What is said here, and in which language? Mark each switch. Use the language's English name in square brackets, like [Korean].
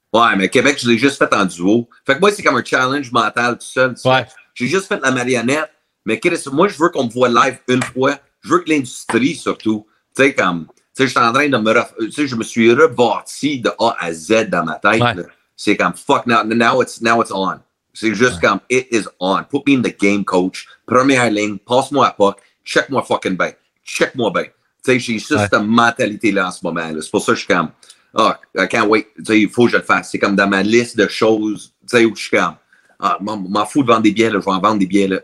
[French] Ouais, mais Québec, je l'ai juste fait en duo. Fait que moi, c'est comme un challenge mental tout seul. Ouais. J'ai juste fait la marionnette, mais Chris, moi, je veux qu'on me voit live une fois. Je veux que l'industrie, surtout, tu sais, comme, tu sais, je suis en train de me. Tu sais, je me suis rebâti de A à Z dans ma tête. Ouais. C'est comme, [English] fuck, now it's on. [French] C'est juste ouais. Comme, [English] it is on. Put me in the game, coach. [French] Première ligne, passe-moi à puck. Check-moi fucking bien. Check-moi bien. Tu sais, j'ai juste ouais. Cette mentalité-là en ce moment. C'est pour ça que je suis comme. Ah, oh, [English] I can't wait. [French] Tu sais, il faut que je le fasse. C'est comme dans ma liste de choses. Tu sais, où je suis comme. Ah, m'en fous de vendre des billets, là. Je vais en vendre des billets, là.